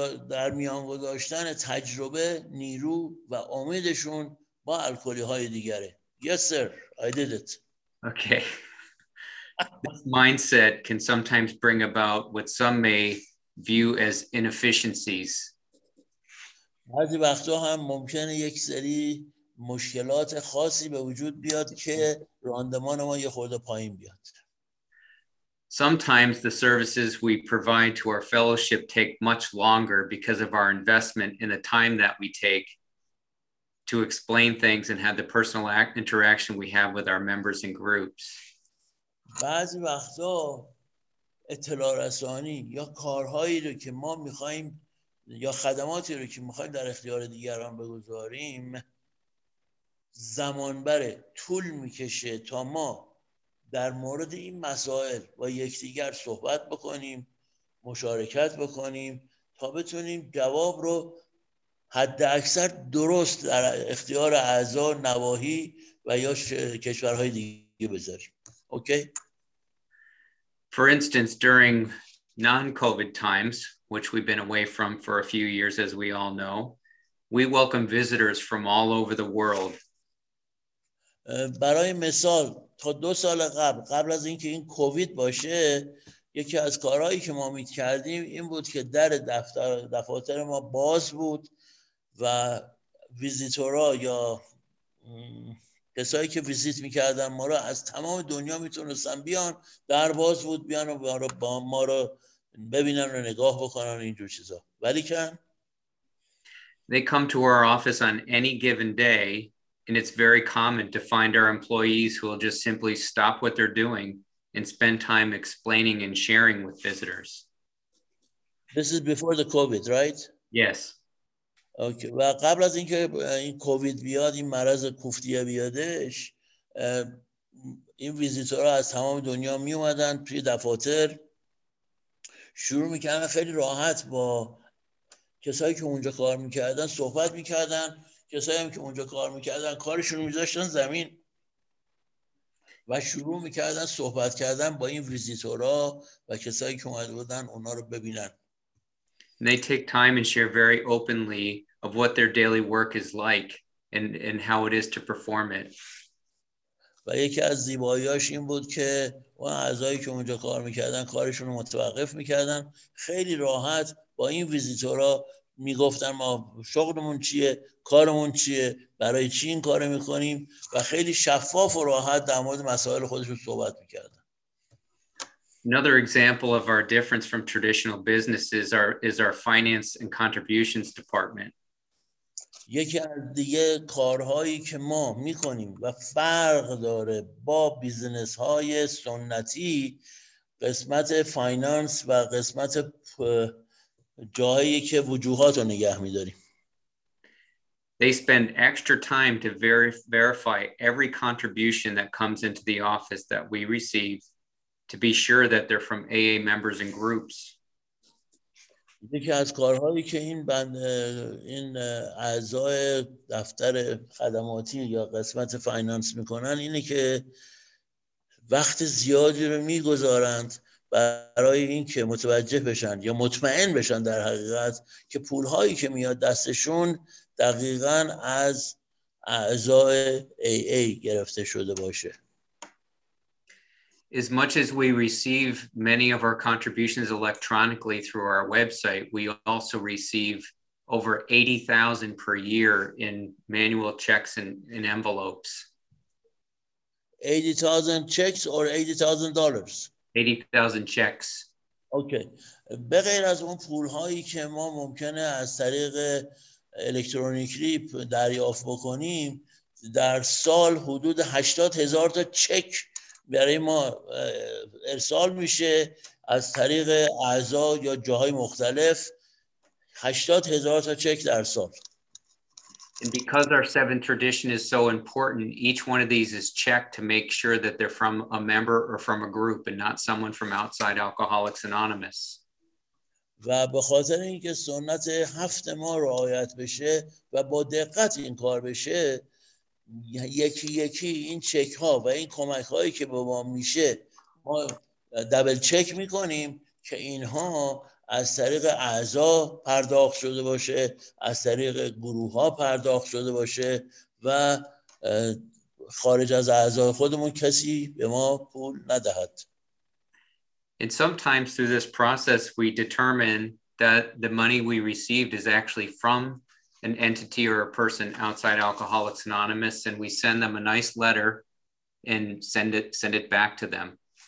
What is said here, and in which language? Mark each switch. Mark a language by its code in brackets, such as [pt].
[fa] در میان گذاشتن تجربه نیرو و امیدشون با الکلی های دیگره. [en] Yes sir, I did it. Okay. This mindset can sometimes bring about what some may view as inefficiencies. [fa] بعضی وقتا هم ممکنه یک سری مشکلات خاصی به وجود بیاد که راندمان ما یه خورده پایین بیاد. [en] Sometimes the services we provide to our fellowship take much longer because of our investment in the time that we take to explain things and have the personal interaction we have with our members and groups. [fa] بعضی وقتا اطلاع رسانی یا کارهایی رو که ما می‌خوایم یا خدماتی رو که می‌خوایم در اختیار دیگران بگذاریم زمان بره، طول می‌کشه تا ما در مورد این مسائل با یکدیگر صحبت بکنیم، مشارکت بکنیم تا بتونیم جواب رو حد اکثر درست در اختیار اعضا نواحی و یا کشورهای دیگه بذاریم. [en] Okay? For instance, during non-COVID times, which we've been away from for a few years, as we all know, we welcome visitors from all over the world. [fa] برای مثال تا دو سال قبل، قبل از اینکه این کووید باشه، یکی از کارهایی که ما می‌کردیم این بود که در دفاتر ما باز بود و ویزیتورها یا کسایی که ویزیت می‌کردن ما رو از تمام دنیا می‌تونستن بیان، در باز بود بیان و با ما رو ببینن رو نگاه بکنن اینجور چیزا. ولیکن [en] They come to our office on any given day and it's very common to find our employees who will just simply stop what they're doing and spend time explaining and sharing with visitors. This is before the COVID, right? Yes. Okay. [fa] و قبل از اینکه این کووید بیاد، این مرض کوفتی بیادش، این ویزیتورها از تمام دنیا می اومدن توی دفاتر، شروع میکردن خیلی راحت با کسایی که اونجا کار میکردن صحبت میکردن، کسایی هم که اونجا کار میکردن کارشون رو میذاشتن زمین و شروع میکردن صحبت کردن با این ویزیتورها و کسایی که اومده بودن اونا رو ببینن. [en] They take time and share very openly of what their daily work is like and how it is to perform it. [fa] و یکی از زیبایی‌هاش این بود که اون اعضایی که اونجا کار میکردن کارشون رو متوقف میکردن، خیلی راحت با این ویزیتورها میگفتن ما شغلمون چیه، کارمون چیه، برای چی این کار میکنیم و خیلی شفاف و راحت در مورد مسائل خودشون صحبت میکردن. [en] Another example of our difference from traditional businesses is our finance and contributions department. [fa] یکی از دیگه کارهایی که ما میکنیم و فرق داره با بیزنس های سنتی، قسمت فاینانس و قسمت جایی که وجوهات رو نگه میداریم. [en] They spend extra time to verify every contribution that comes into the office that we receive to be sure that they're from AA members and groups. [fa] یکی از کارهایی که این بند این اعضای دفتر خدماتی یا قسمت فینانس میکنن اینه که وقت زیادی رو میگذارند برای این که متوجه بشن یا مطمئن بشن در حقیقت که پولهایی که میاد دستشون دقیقا از اعضای AA گرفته شده باشه. [en] As much as we receive many of our contributions electronically through our website, we also receive over 80,000 per year in manual checks and envelopes. 80,000 checks or $80,000? 80,000 checks. Okay. [fa] به غیر از اون پول‌هایی که ما ممکنه از طریق الکترونیکی دریافت بکنیم، در سال حدود 80,000 تا چک برای ما ارسال میشه از طریق اعضا یا جاهای مختلف. 80,000 تا چک در سال. [en] And because our seventh tradition is so important, each one of these is checked to make sure that they're from a member or from a group and not someone from outside Alcoholics Anonymous. [fa] و به خاطر اینکه سنت هفت ما رعایت بشه و با دقت این کار بشه، یکی یکی این چک ها و این کمک هایی که به ما میشه ما دبل چک میکنیم که اینها از طریق اعضا پرداخت شده باشه، از طریق گروه ها پرداخت شده باشه و خارج از اعضا خودمون کسی به ما پول ندهد. [en] And sometimes through this process, we determine that the money we received is actually from an entity or a person outside Alcoholics Anonymous, and we send them a nice letter and send it back to them.